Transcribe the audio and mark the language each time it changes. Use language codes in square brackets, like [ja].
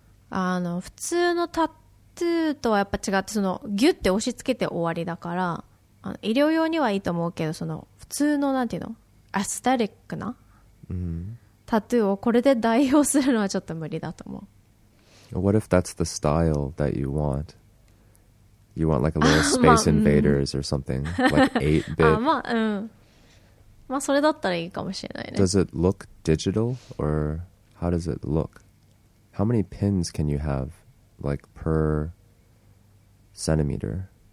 [ja] あの普通のタトゥーとはやっぱ違って、そのギュッて押し付けて終わりだから、あの医療用にはいいと思うけど、その普通のなんていうのアスタリックな、 mm-hmm. タトゥーをこれで代用するのはちょっと無理だと思う。 [en] What if that's the style that you want? You want like a little space invaders or something? Like 8-bit? [ja] あ、まあ、うん、まあそれだったらいいかもしれないね。 [en] Does it look digital? Or how does it look? How many pins can you have like per centimeter?